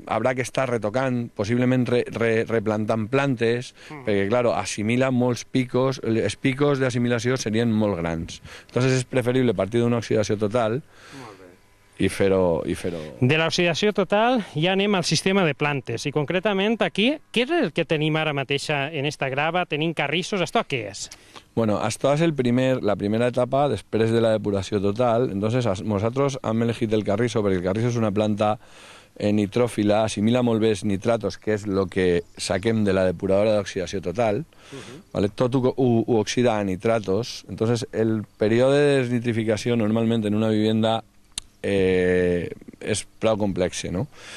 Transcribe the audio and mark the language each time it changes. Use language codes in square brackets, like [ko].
[ca] Habrà que estar retocant, possiblement replantant plantes, perquè, clar, assimila molts picos, els picos d'assimilació serien molt grans. Entonces és preferible partir d'una oxidació total i fer-ho... De l'oxidació total ja anem al sistema de plantes, i concretament aquí, què és el que tenim ara mateixa en esta grava? Tenim carrissos, això què és? [es] Bueno, esto es la primera etapa después de la depuración total. Entonces, nosotros hemos elegido el carrizo porque el carrizo es una planta nitrófila, [ca] asimila molt bé els nitratos, que és el que saquem de la depuradora d'oxidació total. [es] ¿Vale? [ca] Tot ho oxida a nitratos. Entonces, el període de desnitrificació normalment en una vivienda és prou complex, ¿no?